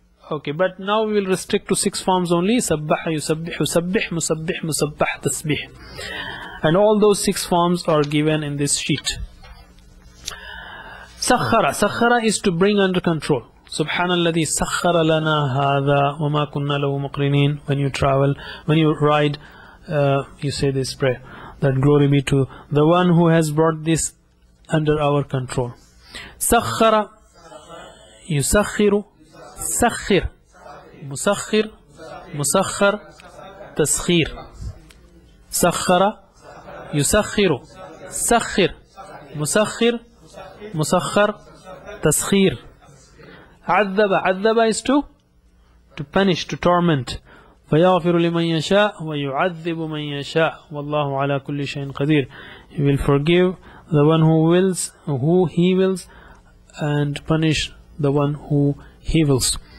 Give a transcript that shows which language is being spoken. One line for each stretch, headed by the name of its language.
English: Okay, but now we will restrict to six forms only.
Arabic: سبح يسبح سبح مسبح مسبح تسبيح.
English: And all those six forms are given in this sheet.
Arabic: سخر سخر
English: is to bring under control.
Arabic: سبحان الذي سخر لنا هذا وما كنا له مقرنين.
English: When you travel, when you ride, you say this prayer that glory be to the one who has brought this under our control.
Arabic: سخر يسخر سخر مسخر مسخر تسخير. سخر يسخر سخر مسخر مسخر تسخير. عذب عذب
English: is to punish, to torment.
Arabic: فيغفر لمن يشاء ويعذب من يشاء والله على كل شيء قدير.
English: He will forgive the one who wills, who he wills, and punish the one who he wills.